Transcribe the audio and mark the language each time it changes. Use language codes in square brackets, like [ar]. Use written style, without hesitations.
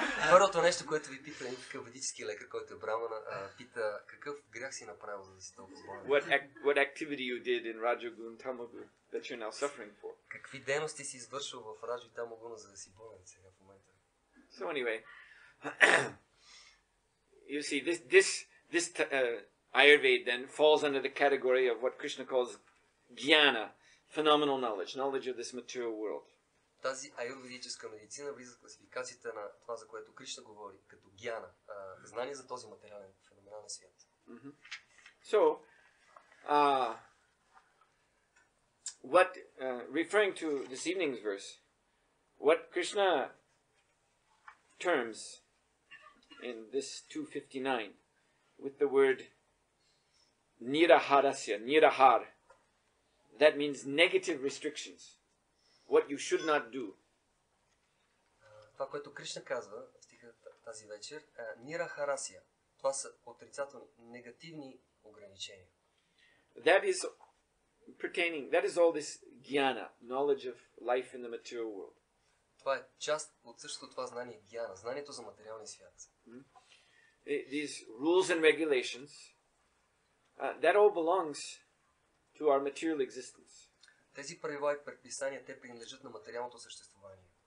[bg] Първото нещо, което ви пита един такъв ведически лекар, който е брамана, пита какъв грях си направил, за да си толкова болен. [en] What activity you did in Rajagun, Tamagun, that you're now suffering for? [bg] какви дейности си извършил в Раджа и там огъна, за да си болен сега в момента. [en] So anyway, you see, this Ayurveda then falls under the category of what Krishna calls jnana, phenomenal knowledge, knowledge of this material world. [bg] Тази аюрведическа медицина влиза в класификацията на това, за което Кришна говори, като гьяна, знание за този материален феномен на свят. [en] So, what, referring to this evening's verse, what Krishna terms in this 259 with the word nirahadasya, nirahar, that means negative restrictions. What you should not do. [bg] Това, което Кришна казва в стиха тази вечер, нирахарасия. Това са отрицателни, негативни ограничения. [en] That is all this jnana, knowledge of life in the material world. [bg] Това е част от същото това знание, jnana, знанието за материалния свят. [en] These rules and regulations, that all belongs to our material existence. [bg] Тези правила и предписания, те принадлежат на материалното съществуване.